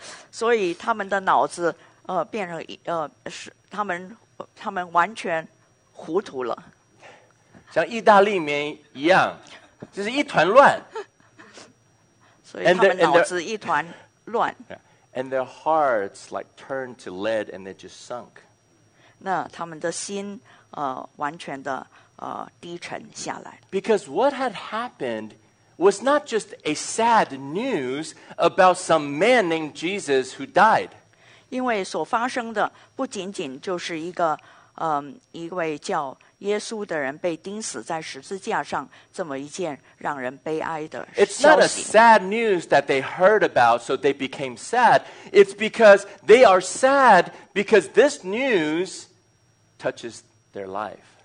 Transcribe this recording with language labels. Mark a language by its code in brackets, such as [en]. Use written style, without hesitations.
[zh] 所以他们的脑子变成他们完全糊涂了，像意大利面一样，就是一团乱。所以他们脑子一团乱。 [en] And their hearts like turned to lead, and they just sunk. [zh] 那他们的心完全的低沉下来。 [en] Because what had happened was not just a sad news about some man named Jesus who died. [zh] 因为所发生的不仅仅就是一个一位叫耶稣的人被钉死在十字架上这么一件让人悲哀的消息。 [en] It's not a sad news that they heard about, so they became sad. It's because they are sad because this news touches their life.